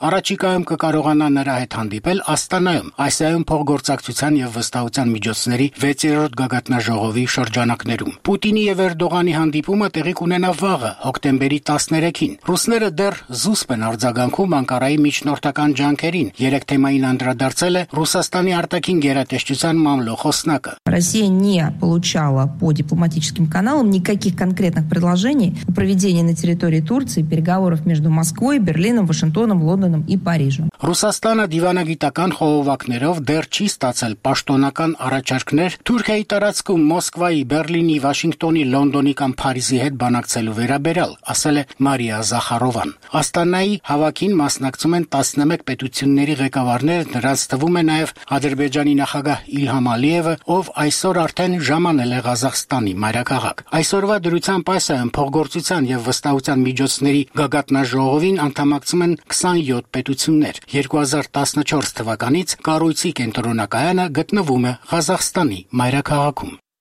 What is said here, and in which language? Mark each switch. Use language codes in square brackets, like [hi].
[hy] առաջիկայում կկարողանա նրա հետ հանդիպել Աստանայում, Ասիայում փոխգործակցության եւ վստահության միջոցների 6-րդ գագաթնաժողովի շրջանակներում։ Պուտինի եւ Էրդողանի հանդիպումը տեղի կունենա վաղը, հոկտեմբերի 13-ին։ Ռուսները դեռ զուսպ են արձագանքում Անկարայի միջնորդական ջանքերին, երեք թեմային անդրադարձել է Ռուսաստանի արտաքին գերատեսչության մամլոխոսնակը։ [ru] Россия не получала по дипломатическим каналам никаких конкретных предложений о проведении на территории Турции переговоров между Москвой, Берлином, Вашингтоном, Лондоном и Парижем. [hy] Ռուսաստանը դիվանագիտական խոհովակներով դեռ չի ստացել պաշտոնական առաջարկներ Թուրքիայի տարածքում Մոսկվայի, Բերլինի, Վաշինգտոնի, Լոնդոնի կամ Փարիզի հետ բանակցելու վերաբերյալ, ասել է Մարիա Զախարովան։ Աստանայի հավաքին մասնակցում են 11 պետությունների ղեկավարներ, նրանց թվում է նաև Ադրբեջանի նախագահ Իլհամ Ալիևը, ով այսօր արդեն ժամանել է Ղազախստանի մայրաքաղաք։ Այսօրվա դրությամբ այս փոխգործության եւ վստահության միջոցների գագաթնաժողովին անդամակցում են 27 պետություններ։ 2014 թվականից կառույցի կենտրոնակայանը գտնվում է Ղազախստանի մայրաքաղաքում։